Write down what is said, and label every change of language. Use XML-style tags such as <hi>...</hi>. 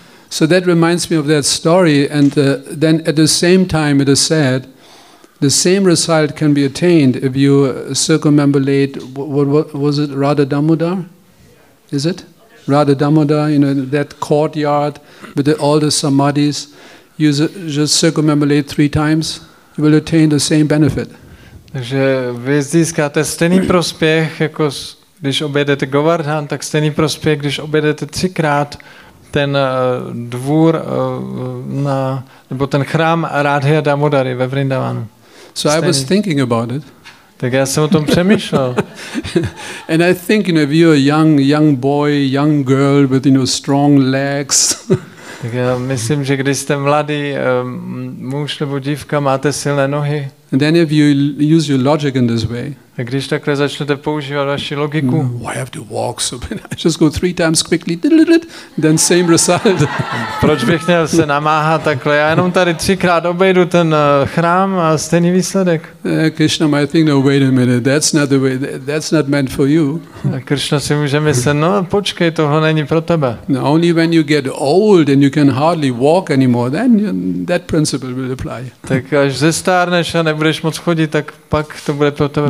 <en>So that reminds me of that story, and then at the same time it is said the same result can be attained if you circumambulate what was it, Radha Damodar? Is it? Radha Damodar, you know, that courtyard with all the samadhis. You just circumambulate three times, you will attain the same benefit.</en> <cs>Takže vy získáte stejný prospěch, jako když objedete Govardhan, tak stejný prospěch, když objedete třikrát ten dvůr na, nebo ten chrám Radhe Damodary ve Vrindavanu.</cs> <en>So I was thinking about it.</en> <cs>Tak já jsem o tom přemýšlel.</cs> <en>And I think, you know, if you're a young boy, young girl with, you know, strong legs.</en> <cs>Tak já myslím, že když jste mladý muž nebo dívka, máte silné nohy.</cs> <en>And then if you use your logic in this way.</en> <cs>A když takhle začnete používat vaši logiku.</cs> <en>Why have to walk so bad? I just go three times quickly. Then same result.</en> <cs>Proč bych měl se namáhat takhle? Já jenom tady třikrát obejdu ten chrám a stejný výsledek.</cs> <en>Krishna might think, no, wait a minute. That's not the way. That's not meant for you.</en> <cs>A Krishna si může myslet, no, počkej, tohle není pro tebe.</cs> <en>No, only when you get old and you can hardly walk anymore, then that principle will apply.</en> <cs>Tak až zestárneš a nebudeš moc chodit, tak pak to bude pro tebe</cs>